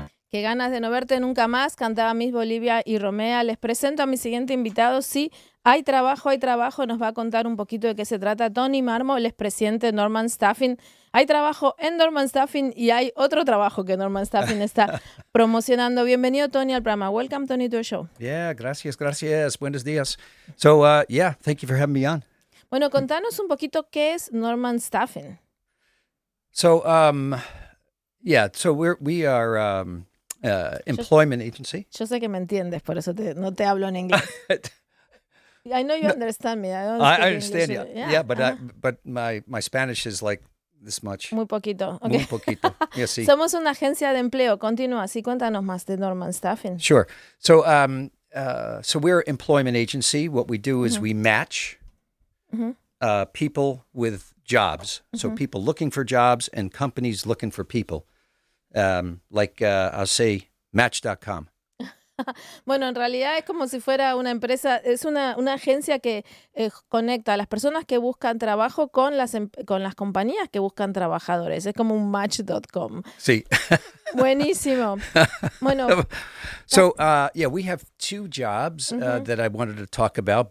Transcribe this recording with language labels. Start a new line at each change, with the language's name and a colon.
Spanish: Qué ganas de no verte nunca más, cantaba Miss Bolivia y Romea. Les presento a mi siguiente invitado. Sí, hay trabajo, nos va a contar un poquito de qué se trata. Tony Marmo, el expresidente Norman Staffing. Hay trabajo en Norman Staffing y hay otro trabajo que Norman Staffing está promocionando. Bienvenido, Tony, al programa.
English: Welcome, Tony, to the show.
Spanish: Yeah, gracias, gracias. Buenos días.
English: So, yeah, thank you for having me on.
Spanish: Bueno, contanos un poquito qué es Norman Staffing.
English: So, we are employment agency.
Spanish: Yo sé que me entiendes, por eso no te hablo en inglés.
English: I know you understand me. I understand. Yeah, yeah, but my Spanish is like this much.
Spanish: Muy poquito. Okay. Muy poquito. Yeah, sí. Somos una agencia de empleo. Continúa. Sí, cuéntanos más de Norman Staffing.
English: Sure. So, we're employment agency. What we do is we match. Mm-hmm. People with jobs. Mm-hmm. So people looking for jobs and companies looking for people. I'll say match.com.
Spanish: Bueno, en realidad es como si fuera una empresa, es una agencia que conecta a las personas que buscan trabajo con las compañías que buscan trabajadores. Es como un match.com. Sí. Buenísimo. Bueno.
English: So, we have two jobs that I wanted to talk about.